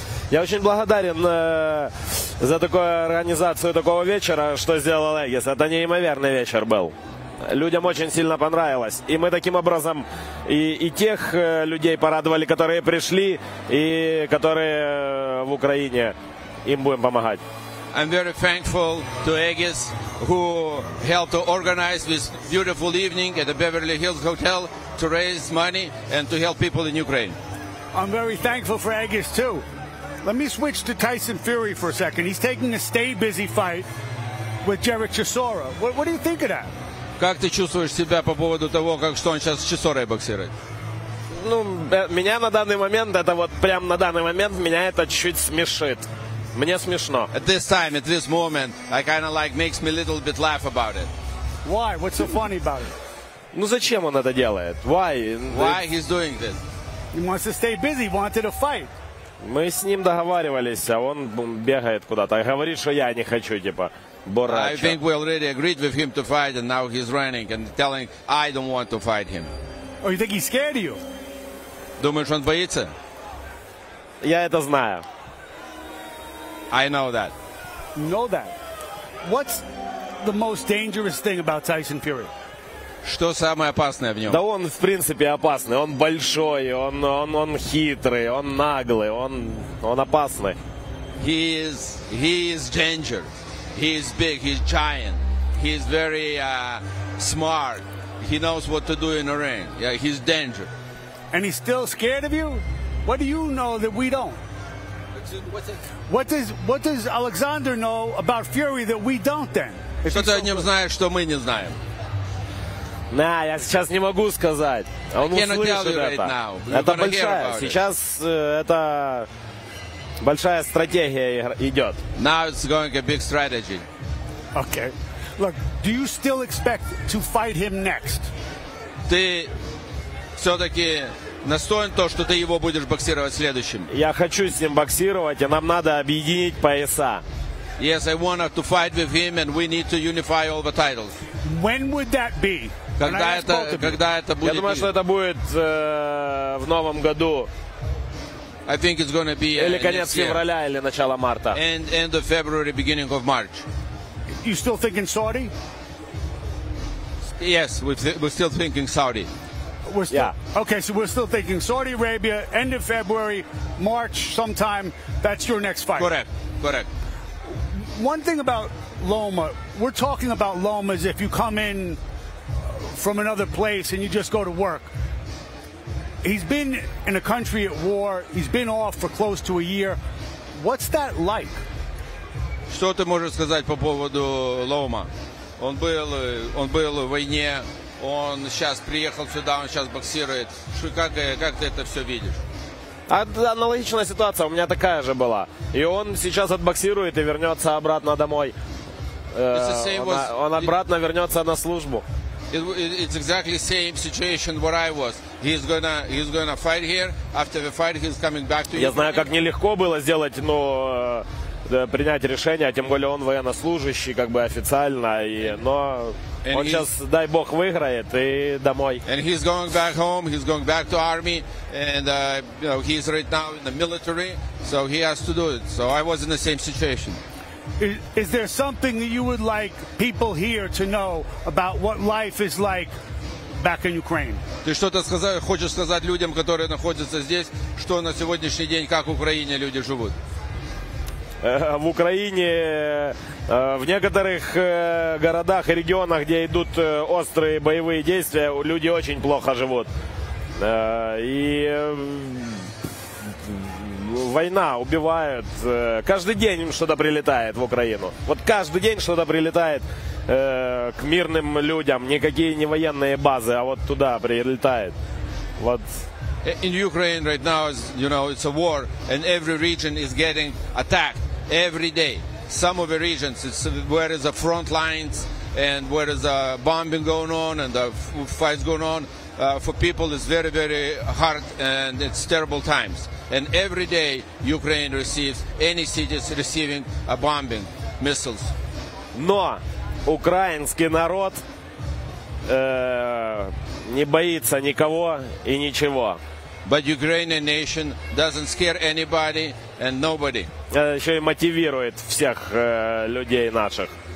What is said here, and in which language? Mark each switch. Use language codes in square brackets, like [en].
[ru] Я очень благодарен за такую организацию такого вечера, что сделал Эгис. Это неимоверный вечер был. Людям очень сильно понравилось, и мы таким образом и тех людей порадовали, которые пришли, и которые в Украине, им будем помогать. [en] I'm very thankful to Egas, who helped to organize this beautiful evening at the Beverly Hills Hotel to raise money and to help people in Ukraine. I'm very thankful for Egas, too. Let me switch to Tyson Fury for a second. He's taking a stay-busy fight with Jared Chisora. What do you think of that? [ru] Как ты чувствуешь себя по поводу того, как что он сейчас с Чисорой боксирует? Ну, меня на данный момент, это вот прям на данный момент, меня это чуть-чуть смешит. Мне смешно. [en] At this time, at this moment, I kind of like makes me a little bit laugh about it. Why? What's so funny about it? [ru] Ну зачем он это делает? [en] Why? Why he's doing this? He wants to stay busy, wanted a fight. [ru] Мы с ним договаривались, а он бегает куда-то. Говорит, что я не хочу, типа, борача. [en] I think we already agreed with him to fight, and now he's running and telling, I don't want to fight him. Oh, you think he's scared of you? [ru] Думаешь, он боится? Я это знаю. [en] I know that. You know that. What's the most dangerous thing about Tyson Fury? [ru] Что самое опасное в нем? Да он, в принципе, опасный. Он большой, он хитрый, он наглый, он опасный. [en] He is dangerous. He is big, he's giant. He's very smart. He knows what to do in the ring. Yeah, he's dangerous. And he's still scared of you? What do you know that we don't? What does Oleksandr know about Fury that we don't then? [ru] Что ты о нем знаешь, что мы не знаем? Да, я сейчас не могу сказать. Он услышит это. Это большая. Сейчас это большая стратегия идет. [en] Now it's going a big strategy. Okay. Look, do you still expect to fight him next? [ru] Ты все-таки настоен то, что ты его будешь боксировать следующим? Я хочу с ним боксировать, и нам надо объединить пояса. [en] Yes, I wanted to fight with him, and we need to unify all the titles. When would that be? [ru] Когда это будет? Я думаю, что это будет в новом году. [en] I think it's going to be [ru] или конец февраля, или начало марта. [en] End of February, beginning of March. You still thinking Saudi? Yes, we're still thinking Saudi. Okay, so we're still thinking Saudi Arabia, end of February, March sometime, that's your next fight. Correct. One thing about Loma, we're talking about Loma as if you come in from another place and you just go to work. He's been in a country at war, he's been off for close to a year. What's that like? [ru] Что ты можешь сказать по поводу Лома? Он был в войне. Он сейчас приехал сюда, он сейчас боксирует. Как ты это все видишь? Аналогичная ситуация у меня такая же была. И он сейчас отбоксирует и вернется обратно домой. Он обратно вернется на службу. [en] It's exactly the same situation where I was. He's gonna fight here. After the fight, he's coming back to you. [ru] Я знаю, как нелегко было сделать, но принять решение, тем более он военнослужащий, как бы официально, но он сейчас, дай бог, выиграет и домой. [en] And he's going back home, he's going back to army, and he's right now in the military, so he has to do it. So I was in the same situation. Is there something that you would like people here to know about what life is like back in Ukraine? [ru] Ты что-то хочешь сказать людям, которые находятся здесь, что на сегодняшний день, как в Украине люди живут? в Украине, в некоторых городах и регионах, где идут острые боевые действия, люди очень плохо живут. И война, убивают. Каждый день им что-то прилетает в Украину. Вот каждый день что-то прилетает к мирным людям. Никакие не военные базы, а вот туда прилетает. Вот. [en] In Ukraine right now, you know, it's a war, and every region is getting attacked every day. Some of the regions, it's where is the front lines, and where is the bombing going on, and the fights going on. For people, it's very, very hard, and it's terrible times. And every day, Ukraine receives, any cities receiving a bombing, missiles. [ru] Но украинский народ не боится никого и ничего. [en] But Ukrainian nation doesn't scare anybody and nobody. [ru] Еще и мотивирует всех людей наших.